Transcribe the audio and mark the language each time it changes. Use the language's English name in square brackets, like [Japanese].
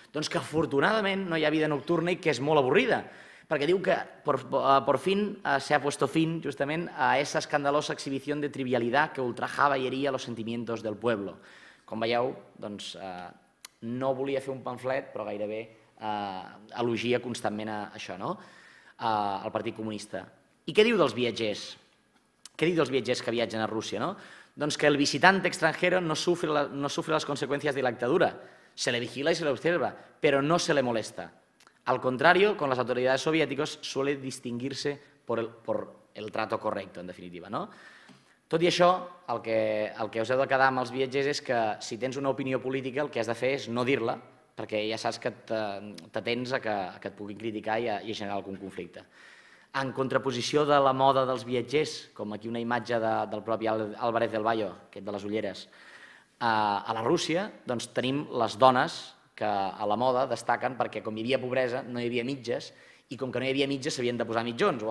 [Catalan] Doncs que afortunadament no hi ha vida nocturna i que és molt avorrida, perquè diu que [Spanish] por fin se ha puesto fin justament a esa escandalosa exhibición de trivialidad que ultrajaba y hería los sentimientos del pueblo. [Catalan] Com veieu, doncs, no volia fer un pamflet, però gairebé elogia constantment a això, no? Al Partit Comunista. I què diu dels viatgers? Què diu dels viatgers que viatgen a Rússia, no? Doncs que [Spanish] el visitante extranjero no sufre las consecuencias de la dictadura. Se le vigila y se le observa, pero no se le molesta. Al contrario, con las autoridades soviéticas suele distinguirse por el trato correcto, en definitiva. No? [Catalan] Tot i això, el que us heu de quedar amb els viatgers és que si tens una opinió política el que has de fer és no dir-la, perquè ja saps que t'atens a que et puguin criticar i a generar algun conflicte. En contraposició de la moda dels viatgers, com aquí una imatge del propi Álvarez del Valle, aquest de les ulleres, a la Rússia, doncs tenim les dones que a la moda destaquen perquè com hi havia pobresa no hi havia mitges, i com que no hi havia mitges s'havien de posar mitjons.